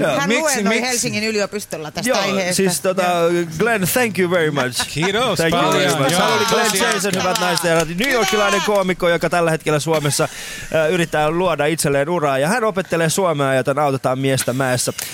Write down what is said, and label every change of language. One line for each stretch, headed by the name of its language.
Finnish: Hän luennoi Helsingin yliopistolla tästä aiheesta.
English: Siis Glenn, thank you very much.
Finnish: Kiitos.
English: Thank you very much.
Finnish: Hän oli Glenn Jason, hyvät naiset ja herrat. New Yorkilainen koomikko, joka tällä hetkellä Suomessa yrittää luoda itselleen uraa. Ja hän opettelee suomea, joten autetaan miestä mäessä.